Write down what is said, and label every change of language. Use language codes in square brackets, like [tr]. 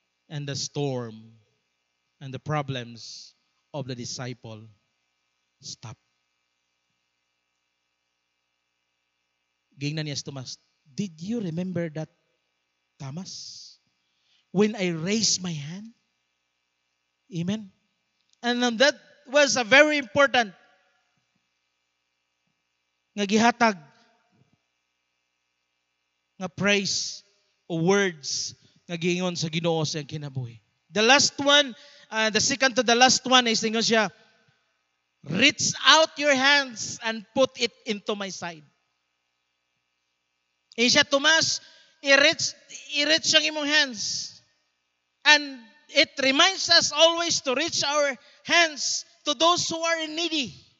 [en] And the storm and the problems of the disciple stop. [ceb] Gingnan niya si [en] Thomas, did you remember that, Thomas? When I raised my hand? Amen? And that was a very important [ceb] nga gihatag nga praise o words nga giingon sa Ginoo sa kinabuhi. [en] The last one, the second to the last one is [ceb] ingon siya, [en] reach out your hands and put it into my side. [ceb] E siya, Thomas, i-reach ang imong hands. [en] And it reminds us always to reach our hands to those who are needy.